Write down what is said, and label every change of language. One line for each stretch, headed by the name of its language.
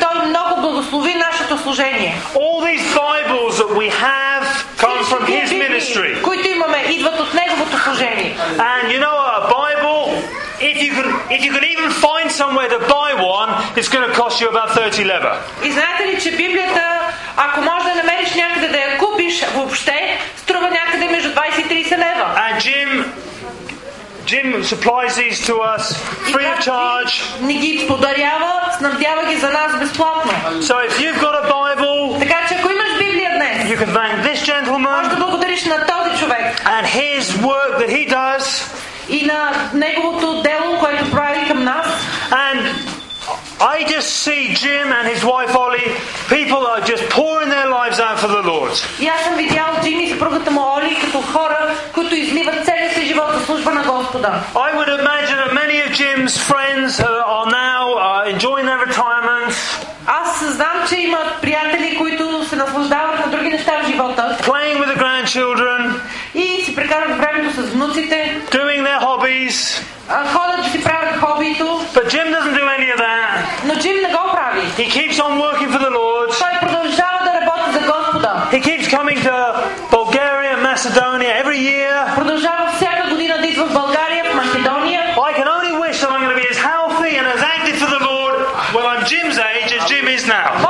English: All these Bibles that we have come from his ministry. And you know, a Bible, if you can even find somewhere to buy one, it's going to cost you about 30 leva.
Bulgarian: И знаете ли, че Библията, ако можеш да намериш някъде да я купиш въобще, струва някъде между 20 и 30 лева.
English: And Jim supplies these to us free of charge.
Bulgarian: Не ги подарява, снабдява ги за нас безплатно.
English: So if you've got a Bible,
Bulgarian: така че ако имаш Библия днес,
English: you can thank this gentleman.
Bulgarian: Може да благодариш на този.
English: And his work that he does.
Bulgarian: И на неговото дело, което прави към нас.
English: And I just see Jim and his wife Ollie, people are just pouring their lives out for the Lord.
Bulgarian: И аз съм видял Джим и съпругата му Оли като хора, които изливат целия си живот за служба на Господа.
English: I would imagine that many of Jim's friends are now enjoying their retirement.
Bulgarian: Аз знам, че имат приятели, които се наслаждават на други неща в живота.
English: Playing with the grandchildren.
Bulgarian: И си прекарват времето с внуците.
English: Doing their hobbies.
Bulgarian: Ходят да си правят хобито.
English: But Jim doesn't do any of that.
Bulgarian: Но Jim не го прави.
English: He keeps on working for the Lord.
Bulgarian: Той продължава да работи за Господа.
English: He keeps coming to Bulgaria, Macedonia every year.
Bulgarian: Продължава всяка година да идва в България, в Македония.
English: I can only wish that I'm going to be as healthy and as active for the Lord when I'm Jim's age as Jim is now.